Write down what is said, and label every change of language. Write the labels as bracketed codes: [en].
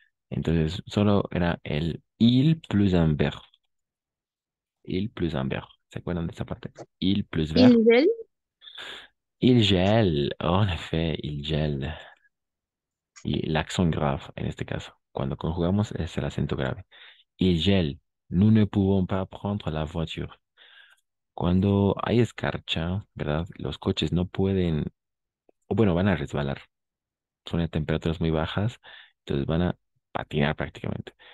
[es] Entonces, solo era el il plus un verbo. Il plus un verbo. ¿Se acuerdan de esa parte? Il plus verbo. Ingel. [fr] Il gèle. En effet, il gèle. Y l'accent grave [es] en este caso. Cuando conjugamos es el acento grave. [fr] Il gèle. Nous ne pouvons pas prendre la voiture. [es] Cuando hay escarcha, ¿verdad? Los coches no pueden, o bueno, van a resbalar. Son a temperaturas muy bajas, entonces van a patinar prácticamente.